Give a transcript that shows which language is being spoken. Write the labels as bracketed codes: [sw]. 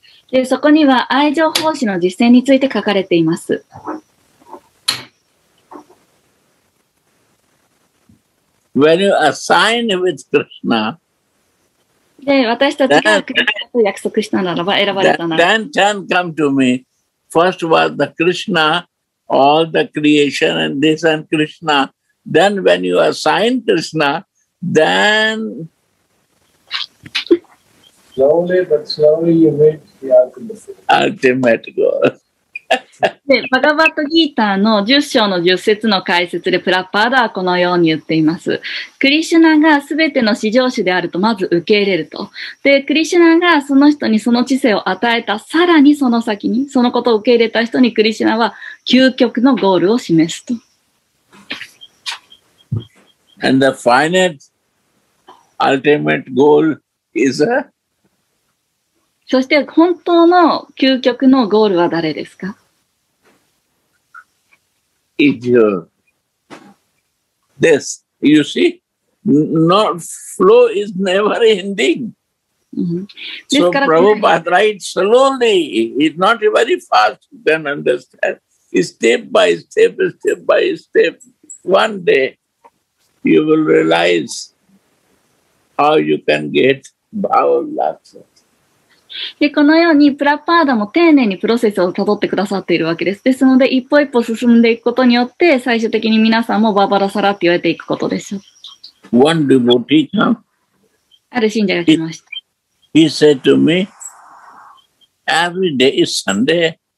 [ja] で、そこには愛情奉仕の実践について書かれています。 [en] When you assign with Krishna, で私たちがクリスナと約束したならば選ばれたなら then, then come to me. First was the Krishna, all the creation and this and Krishna. Then when you assign Krishna, then slowly but slowly you meet the ultimate goal. [ja] でバガバットギーターの10章の10節の解説でプラッパーダはこのように言っています。クリシュナが全ての至上主であるとまず受け入れると、でクリシュナがその人にその知性を与えた、さらにその先にそのことを受け入れた人にクリシュナは究極のゴールを示すと。 [en] And the final ultimate goal is a... [ja] そして本当の究極のゴールは誰ですか？ [en] It's your this. You see, not flow is never ending.、 Mm-hmm. So Prabhupada writes slowly. It's not very fast. You can understand. Step by step, step by step. One day, you will realize how you can get bhava-laksha. [ja] でこのようにプラパーダも丁寧にプロセスをたどってくださっているわけです。ですので一歩一歩進んでいくことによって最終的に皆さんもバーバラサラって言われていくことでしょう。 [en] One devotee came. [ja] ある信者が来ました。 [en] He said to me, every day is Sunday.